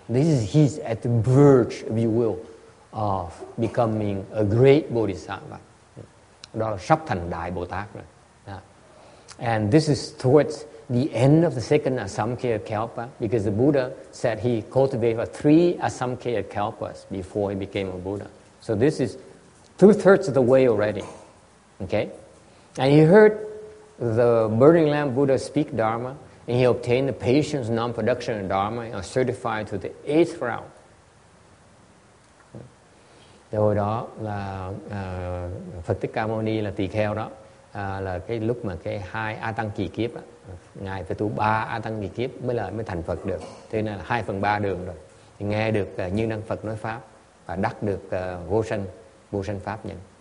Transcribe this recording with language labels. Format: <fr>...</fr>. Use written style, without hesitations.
<en>This is he's at the verge, if you will, of becoming a great Bodhisattva.</en> <vi>Đó là sắp thành Đại Bồ Tát rồi.</vi> <en>And this is towards the end of the second Asamkhya Kalpa, because the Buddha said he cultivated three Asamkhya Kalpas before he became a Buddha. So this is two-thirds of the way already. Okay? And he heard the burning lamp Buddha speak Dharma, and he obtained the patience, non-production, and Dharma, and certified to the eighth round.</en> <vi>Hồi đó là Phật Thích Ca Mâu Ni là tỳ kheo đó. là cái lúc mà cái hai A Tăng kỳ kiếp đó, ngài phải tu ba A Tăng kỳ kiếp mới là mới thành Phật được. Thế nên là 2/3 đường rồi. Thì nghe được Như Năng Phật nói pháp và đắc được vô sanh pháp nhân.</vi>